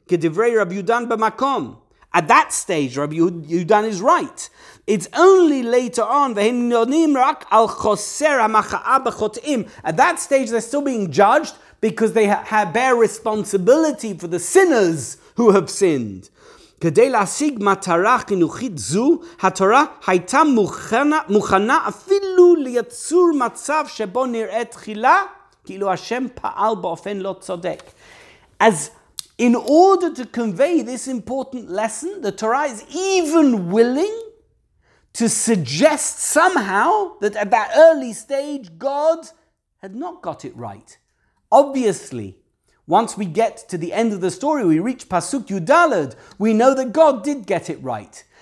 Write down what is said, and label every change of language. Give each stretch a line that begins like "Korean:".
Hebrew: Kedivrei Rabbi Yudan b'makom.
English: At that stage, Rabbi Yudan is right. It's only later on,
Hebrew: v'hem nonim rak al choser ha-macha'a b'chot'im.
English: At that stage, they're still being judged because they bear responsibility for the sinners who have sinned.
Hebrew: כדי להשיג מטרה חינוכית זו, התורה הייתה מוכנה אפילו ליצור מצב שבו נראה תחילה, כאילו השם פעל באופן לא צודק.
English: As in order to convey this important lesson, the Torah is even willing to suggest somehow that at that early stage, God had not got it right. Obviously, once we get to the end of the story, we reach Pasuk Yudalad, we know that God did get it right.